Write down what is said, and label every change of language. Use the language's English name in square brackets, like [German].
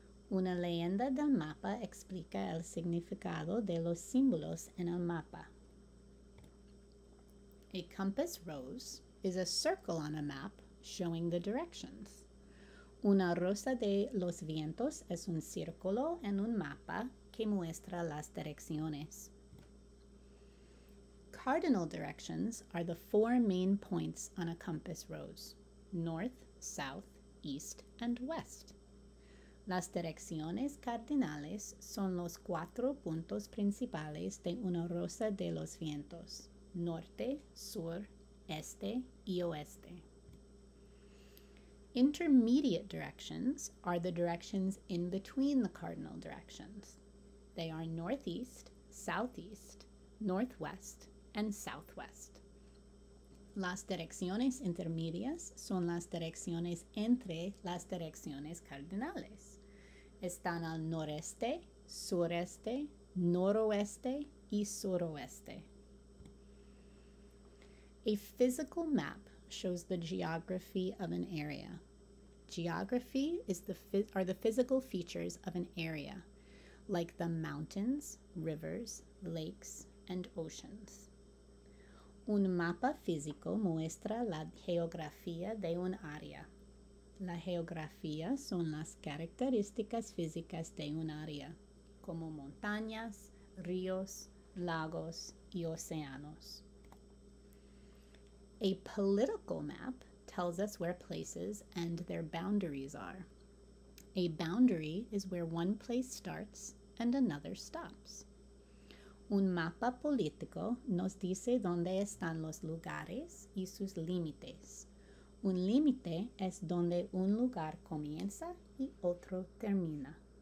[Spanish] Una leyenda del mapa explica el significado de los símbolos en el mapa. [English] A compass rose is a circle on a map showing the directions. [Spanish] Una rosa de los vientos es un círculo en un mapa que muestra las direcciones. [English] Cardinal directions are the four main points on a compass rose: north, south, east, and west. [Spanish] Las direcciones cardinales son los cuatro puntos principales de una rosa de los vientos: norte, sur, este, y oeste. [English] Intermediate directions are the directions in between the cardinal directions. They are northeast, southeast, northwest, and southwest. [Spanish] Las direcciones intermedias son las direcciones entre las direcciones cardinales. Están al noreste, sureste, noroeste, y suroeste. [English] A physical map shows the geography of an area. Geography is the physical features of an area, like the mountains, rivers, lakes, and oceans. [Spanish] Un mapa físico muestra la geografía de un área. La geografía son las características físicas de un área, como montañas, ríos, lagos, y océanos. [English] A political map tells us where places and their boundaries are. A boundary is where one place starts and another stops. [Spanish] Un mapa político nos dice dónde están los lugares y sus límites. Un límite es donde un lugar comienza y otro termina.